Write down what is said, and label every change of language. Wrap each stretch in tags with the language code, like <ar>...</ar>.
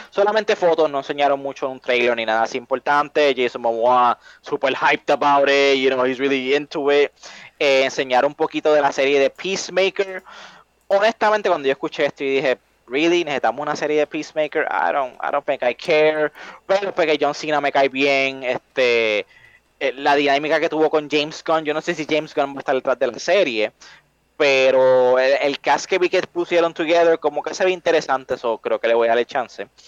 <es>Solamente fotos, no enseñaron mucho en un trailer ni nada así importante.</es> <en>Jason Momoa, super hyped about it, you know, he's really into it.</en> <es>Enseñaron un poquito de la serie de Peacemaker. Honestamente, cuando yo escuché esto y dije,</es> <en>really,</en> <es>necesitamos una serie de Peacemaker,</es> <en>I don't think I care.</en> <es>Pero porque John Cena me cae bien, la dinámica que tuvo con James Gunn, yo no sé si James Gunn va a estar detrás de la serie, pero el cast que vi que pusieron together como que se ve interesante, eso creo que le voy a dar chance.</es>